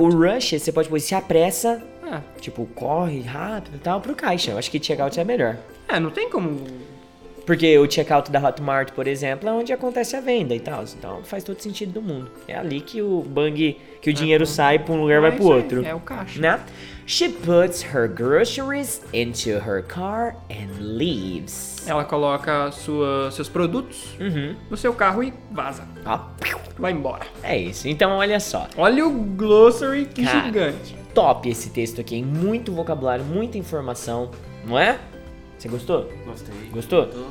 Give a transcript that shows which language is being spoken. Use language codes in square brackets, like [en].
[pt] O rush, você pode pôr, se apressa, tipo, corre rápido e tal, pro caixa. Eu acho que checkout é melhor. É, não tem como. Porque o checkout da Hotmart, por exemplo, é onde acontece a venda e tal. Então faz todo sentido do mundo. É ali que o bang, que o dinheiro sai pra um lugar e vai pro outro. É o caixa. Né? [en] She puts her groceries into her car and leaves. [pt] Ela coloca seus produtos no seu carro e vaza. Ó. Vai embora. É isso. Então olha só. Olha o glossary, que gigante. Top esse texto aqui, hein? Muito vocabulário, muita informação, não é? Você gostou? Gostei. Gostou?